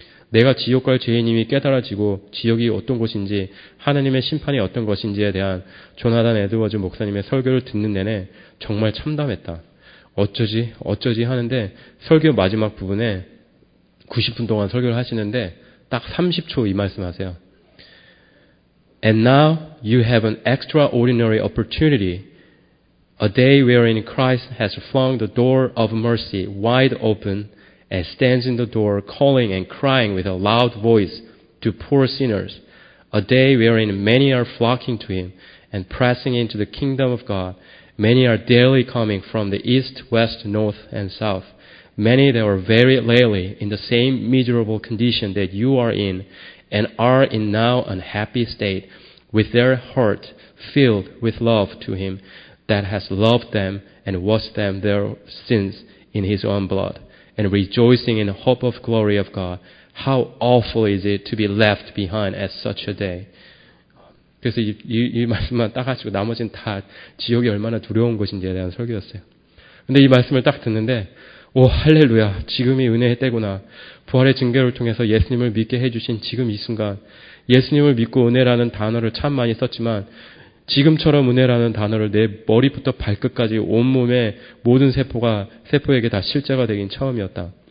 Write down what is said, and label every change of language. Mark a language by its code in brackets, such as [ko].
[ko] 내가 지옥갈 죄인임이 깨달아지고 지옥이 어떤 곳인지 하느님의 심판이 어떤 것인지에 대한 조나단 에드워즈 목사님의 설교를 듣는 내내 정말 참담했다. 어쩌지 어쩌지 하는데 설교 마지막 부분에 90분 동안 설교를 하시는데 딱 30초 이 말씀 하세요. [en] And now you have an extraordinary opportunity, a day wherein Christ has flung the door of mercy wide open and stands in the door calling and crying with a loud voice to poor sinners, a day wherein many are flocking to him and pressing into the kingdom of God. Many are daily coming from the east, west, north, and south. Many that are very lately in the same miserable condition that you are in and are in now an happy state with their heart filled with love to him that has loved them and washed them their sins in his own blood and rejoicing in hope of glory of God. How awful is it to be left behind at such a day? [ko] 그래서 이 말씀만 딱 하시고 나머지는 다 지옥이 얼마나 두려운 것인지에 대한 설교였어요. 근데 이 말씀을 딱 듣는데 오 할렐루야 지금이 은혜의 때구나. 부활의 증거를 통해서 예수님을 믿게 해주신 지금 이 순간 예수님을 믿고 은혜라는 단어를 참 많이 썼지만 지금처럼 은혜라는 단어를 내 머리부터 발끝까지 온몸에 모든 세포에게 다 실제가 되긴 처음이었다.